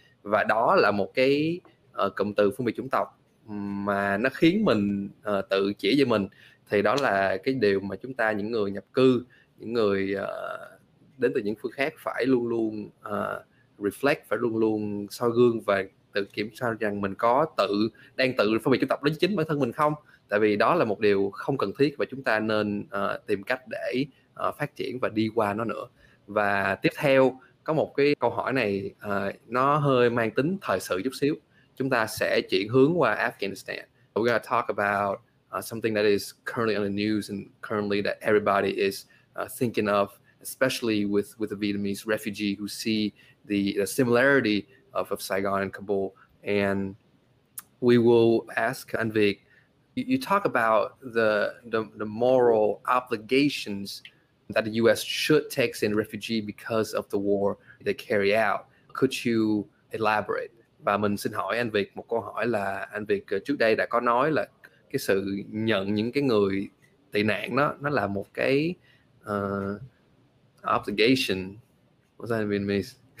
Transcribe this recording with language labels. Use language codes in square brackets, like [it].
[vi] Và đó là một cái cụm từ phân biệt chủng tộc mà nó khiến mình tự chỉ về mình, thì đó là cái điều mà chúng ta những người nhập cư, những người đến từ những phương khác phải luôn luôn reflect, phải luôn luôn soi gương và tự kiểm tra rằng mình có đang tự phân biệt chủng tộc đối với chính bản thân mình không, tại vì đó là một điều không cần thiết và chúng ta nên tìm cách để phát triển và đi qua nó nữa. Và tiếp theo có một cái câu hỏi này nó hơi mang tính thời sự chút xíu. Chúng ta sẽ chuyển hướng qua Afghanistan. [en] We're going to talk about something that is currently on the news and currently that everybody is thinking of, especially with the Vietnamese refugee who see the similarity of Saigon and Kabul. And we will ask Anh Việt, you talk about the moral obligations that the U.S. should take in refugee because of the war they carry out. Could you elaborate? [vi] Và mình xin hỏi anh Việt một câu hỏi là anh Việt trước đây đã có nói là cái sự nhận những cái người tị nạn đó, nó là một cái obligation, [en] what's that in Vietnamese?